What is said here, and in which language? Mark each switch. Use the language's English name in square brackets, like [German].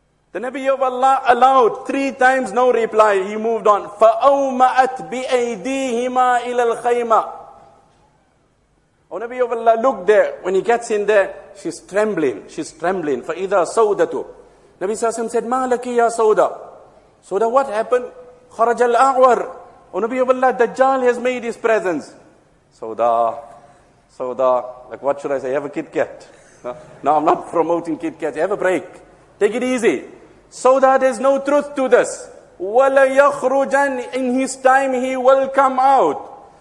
[English] The Nabi of Allah allowed 3 times no reply. He moved on. [Arabic] فَأَوْمَأَتْ بِأَيْدِيهِمَا إِلَى الْخَيْمَةِ [English] Oh, Nabi of Allah, look there. When he gets in there, she's trembling. She's trembling. [Arabic] فَإِذَا سَوْدَتُ [English] Nabi Sassim said, [Arabic] مَا لَكِ يَا سَوْدَ سَوْدَ [English] what happened? [Arabic] خَرَجَ الْأَعْوَرِ [English] Oh, Nabi of Allah, Dajjal has made his presence. سَوْدَ like what should I say? Have a Kit Kat. No, I'm not promoting Kit Kat. Have a break. Take it easy. So that there's no truth to this. وَلَيَخْرُجَنْ In his time he will come out.